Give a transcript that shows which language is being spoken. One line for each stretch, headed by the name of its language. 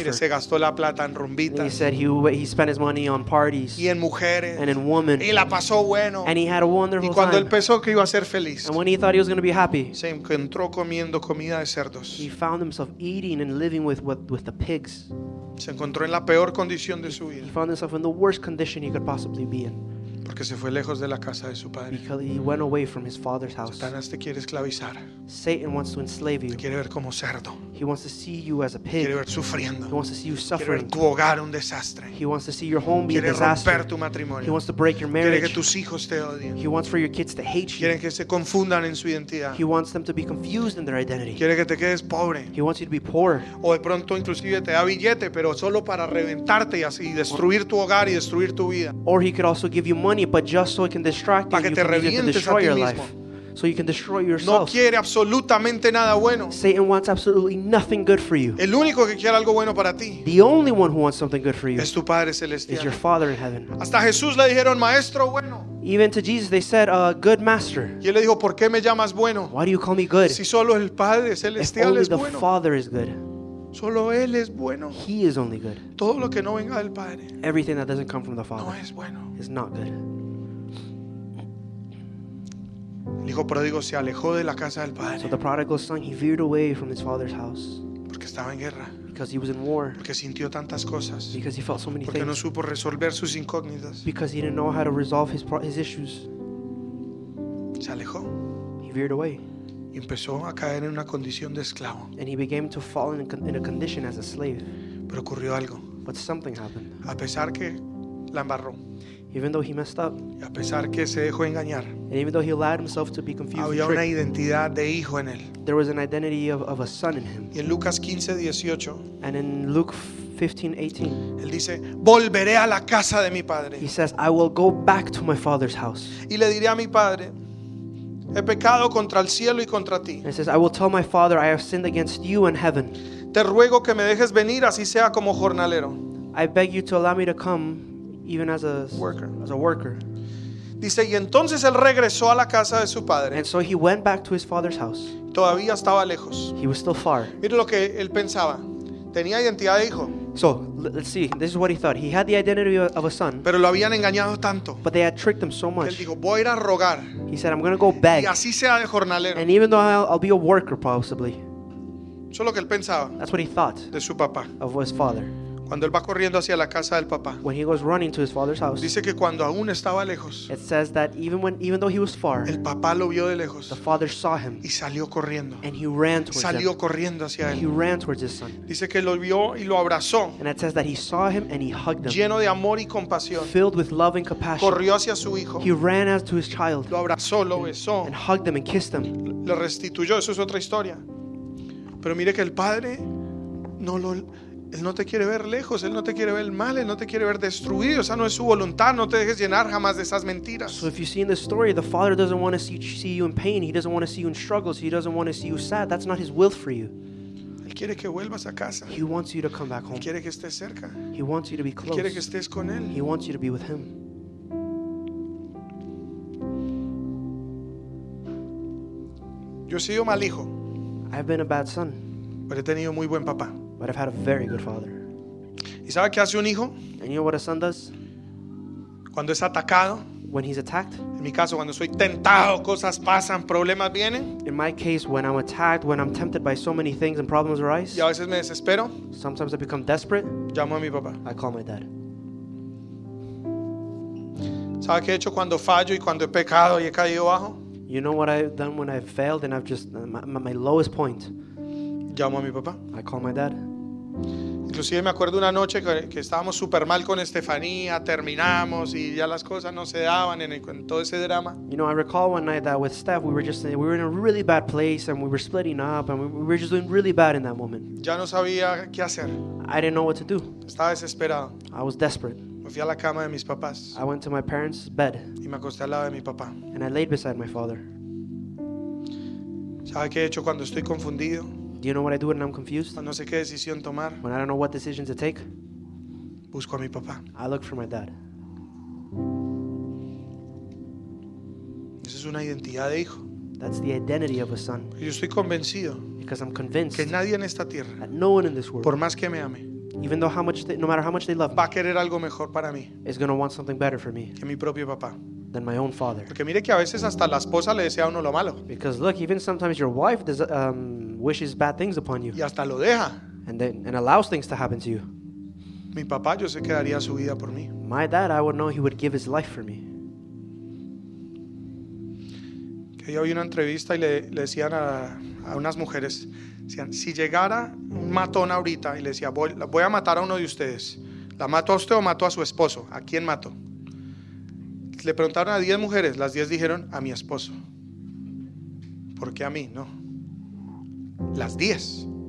Spanish: Mire, se gastó la plata en rumbitas.
English: And he said he spent his money on parties.
Spanish: Y en mujeres.
English: And in women.
Spanish: Y la pasó bueno.
English: And he had a wonderful time.
Spanish: Y cuando
English: time.
Spanish: Él pensó que iba a ser feliz.
English: And when he thought he was going to be happy.
Spanish: Se encontró comiendo comida de cerdos.
English: He found himself eating and living with the pigs.
Spanish: Se encontró en la peor condición de su vida.
English: He found himself in the worst condition he could possibly be in.
Spanish: Porque se fue lejos de la casa de su padre.
English: Because he went away from his father's house.
Spanish: Satanás te quiere esclavizar.
English: Satan wants to enslave you.
Spanish: Te quiere ver como cerdo.
English: He wants to see you as a pig.
Spanish: Quiere ver sufriendo.
English: He wants to see you suffering.
Spanish: Quiere ver tu hogar un desastre.
English: He wants to see your home be a disaster.
Spanish: Quiere romper tu matrimonio.
English: He wants to break your marriage.
Spanish: Quiere que tus hijos te odien.
English: He wants for your kids to hate you.
Spanish: Quieren que se confundan en su identidad.
English: He wants them to be confused in their identity.
Spanish: Quiere que te quedes pobre.
English: He wants you to be poor.
Spanish: O de pronto inclusive te da billete, pero solo para reventarte y así destruir tu hogar y destruir tu vida.
English: Or he could also give you money. Money, but just so it can distract you,
Spanish: te
English: you can destroy your life. So you can destroy yourself.
Spanish: No quiere absolutamente nada bueno.
English: Satan wants absolutely nothing good for you.
Spanish: El único que quiere algo bueno para ti.
English: The only one who wants something good for you
Spanish: es tu Padre Celestial.
English: Is your Father in heaven.
Spanish: Hasta Jesús le dijeron, Maestro bueno.
English: Even to Jesus they said, good master.
Spanish: Y él le dijo, ¿por qué me llamas bueno?
English: Why do you call me good?
Spanish: Si solo el Padre Celestial
English: only
Spanish: es
English: the
Spanish: bueno.
English: Father is good.
Spanish: Solo él es bueno.
English: He is only good.
Spanish: Todo lo que no venga del Padre.
English: Everything that doesn't come from the Father.
Spanish: No es bueno.
English: Is not good.
Spanish: El hijo pródigo se alejó de la casa del Padre.
English: So the prodigal son, he veered away from his father's house.
Spanish: Porque estaba en guerra.
English: Because he was in war.
Spanish: Porque sintió tantas cosas.
English: Because he felt so many
Spanish: porque
English: things.
Spanish: Porque no supo resolver sus incógnitas.
English: Because he didn't know how to resolve his issues.
Spanish: Se alejó.
English: He veered away.
Spanish: Y empezó a caer en una condición de esclavo.
English: And he began to fall in a condition as a slave.
Spanish: Pero ocurrió algo.
English: But something happened.
Spanish: A pesar que la embarró.
English: Even though he messed up.
Spanish: Y a pesar que se dejó engañar.
English: And even though he allowed himself to be confused.
Spanish: Había una identidad de hijo en él.
English: There was an identity of a son in him.
Spanish: Y en Lucas 15, 18.
English: And in Luke 15, 18.
Spanish: Él dice, volveré a la casa de mi padre.
English: He says, I will go back to my father's house.
Spanish: Y le diré a mi padre, he pecado contra el cielo y contra ti.
English: And says, I will tell my father, I have sinned against you and heaven.
Spanish: Te ruego que me dejes venir así sea como jornalero.
English: I beg you to allow me to come even as a worker. As a worker.
Spanish: Dice, y entonces él regresó a la casa de su padre.
English: And so he went back to his father's house.
Spanish: Todavía estaba lejos.
English: He was still far.
Spanish: Mira lo que él pensaba. Tenía identidad de hijo.
English: So, let's see. This is what he thought. He had the identity of a son.
Spanish: Pero lo habían engañado tanto.
English: But they had tricked him so much.
Spanish: Él dijo, voy a ir a rogar.
English: He said, I'm going to go beg.
Spanish: Y así sea de jornalero.
English: And even though I'll be a worker, possibly.
Spanish: Eso es lo que él pensaba.
English: That's what he thought.
Spanish: De su papá.
English: Of his father.
Spanish: Cuando él va corriendo hacia la casa del papá.
English: When he goes running to his father's house.
Spanish: Dice que cuando aún estaba lejos.
English: It says that even though he was far.
Spanish: El papá lo vio de lejos.
English: The father saw him.
Spanish: Y salió corriendo.
English: And he ran towards
Spanish: salió
English: him.
Spanish: Salió corriendo hacia
English: and
Spanish: él.
English: He ran towards his son.
Spanish: Dice que lo vio y lo abrazó.
English: And it says that he saw him and he hugged him.
Spanish: Lleno de amor y compasión.
English: Filled with love and compassion.
Spanish: Corrió hacia su hijo.
English: He ran as to his child.
Spanish: Lo abrazó, lo besó.
English: And hugged him and kissed him.
Spanish: Lo restituyó, eso es otra historia. Pero mire que el Padre no lo, él no te quiere ver lejos, él no te quiere ver el mal, él no te quiere ver destruido. O sea, no es su voluntad. No te dejes llenar jamás de esas mentiras.
English: So if you see in the story, the Father doesn't want to see you in pain. He doesn't want to see you in struggles. He doesn't want to see you sad. That's not His will for you.
Spanish: Él quiere que vuelvas a casa.
English: He wants you to come back home.
Spanish: Él quiere que estés cerca.
English: He wants you to be close.
Spanish: Él quiere que estés con él.
English: He wants you to be with Him.
Spanish: Yo he sido mal hijo.
English: I've been a bad son.
Spanish: Pero he tenido muy buen papá.
English: But I've had a very good father.
Spanish: ¿Y sabe qué hace un hijo?
English: And you know what a son does?
Spanish: Cuando es atacado.
English: When he's attacked.
Spanish: En mi caso, cuando soy tentado, cosas pasan, problemas vienen.
English: In my case, when I'm attacked, when I'm tempted by so many things and problems arise.
Spanish: Y a veces me desespero.
English: Sometimes I become desperate.
Spanish: Llamo a mi papá.
English: I call my dad.
Spanish: ¿Sabe qué he hecho cuando fallo y cuando he pecado y he caído bajo?
English: You know what I've done when I've failed and I've just my lowest point.
Spanish: Llamo a mi papá.
English: I call my dad.
Spanish: Inclusive me acuerdo una noche que estábamos super mal con Estefanía, terminamos y ya las cosas no se daban en todo ese drama.
English: You know, I recall one night that with Steph we were in a really bad place and we were splitting up and we were just doing really bad in that moment.
Spanish: Ya no sabía qué hacer.
English: I didn't know what to do.
Spanish: Estaba desesperado.
English: I was desperate.
Spanish: Me fui a la cama de mis papás.
English: I went to my parents' bed.
Spanish: Y me acosté al lado de mi papá.
English: And I laid beside my father.
Spanish: ¿Sabe qué he hecho cuando estoy confundido?
English: Do you know what I do when I'm confused?
Spanish: No sé qué decisión tomar.
English: When I don't know what decision to take.
Spanish: Busco a mi papá.
English: I look for my dad.
Spanish: Esa es una identidad de hijo.
English: That's the identity of a son.
Spanish: Yo estoy convencido.
English: Because I'm convinced.
Spanish: Que nadie en esta tierra.
English: That no one in this world.
Spanish: Por más que me ame.
English: Even though no matter how much they love me.
Spanish: Va a querer algo mejor para mí.
English: Is going to want something better for me.
Spanish: Que mi propio papá.
English: Than my own father.
Spanish: Porque mire que a veces hasta la esposa le desea a uno lo malo.
English: Because look, even sometimes your wife does, wishes bad things upon you.
Spanish: Y hasta lo deja.
English: And allows things to happen to you.
Spanish: Mi papá, yo sé que daría su vida por mí.
English: My dad, I would know he would give his life for me.
Spanish: Que yo vi una entrevista y le decían a unas mujeres, decían, si llegara un matón ahorita y le decía, voy a matar a uno de ustedes, ¿la mato a usted o mato a su esposo? ¿A quién mato? Le preguntaron a 10 mujeres, las 10 dijeron, a mi esposo. ¿Por qué a mí? No. Las 10.